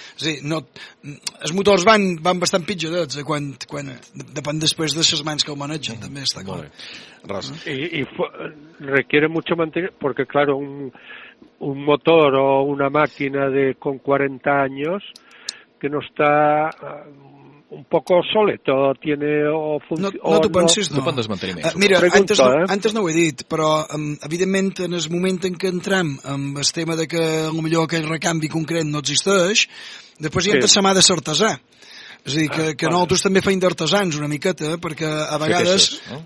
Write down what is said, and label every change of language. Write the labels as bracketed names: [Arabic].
[Catalan] És a dir, no, els motors van bastant pitjorets, quan depèn després de les mans que el manegen, també, està clar. Molt bé. [Spanish] Requiere mucho mantenimiento, porque, claro, un motor o una máquina con 40 años que no está un poco obsoleto, tiene o [Catalan] funciona... No t'ho pensis, no. No pot desmantenir més. Mira, antes no ho he dit, però evidentment en el moment en què entrem amb el tema de que potser aquell recanvi concret no existeix, després hi ha de ser mà de l'artesà. És a dir, que nosaltres també feim d'artesans una miqueta, perquè a vegades peces, no?